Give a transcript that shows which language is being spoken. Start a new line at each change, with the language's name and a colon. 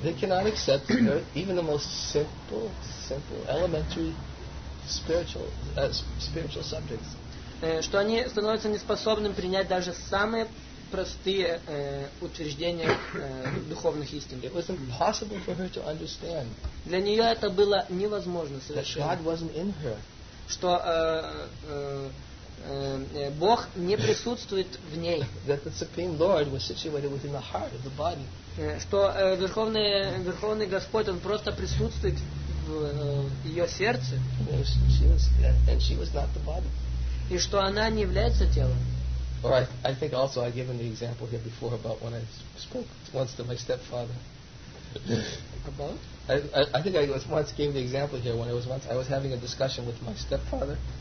English: They cannot accept even the most simple, elementary spiritual subjects.
Russian: Что они становятся неспособным принять даже самые простые утверждения духовных истин.
English: It was impossible for her to understand.
Russian: Для нее это было невозможно совершенно.
English: That God wasn't in her.
Russian: Что Бог не присутствует в ней.
English: That the Supreme Lord was situated within the heart of the body.
Russian: Что Верховный Господь, Он просто присутствует в ее сердце.
English: And she was not the body.
Russian: И что она не является телом.
English: Or I think also I've given the example here before about when I spoke once to my stepfather. About? I think I was once gave the example here when I was having a discussion with my stepfather.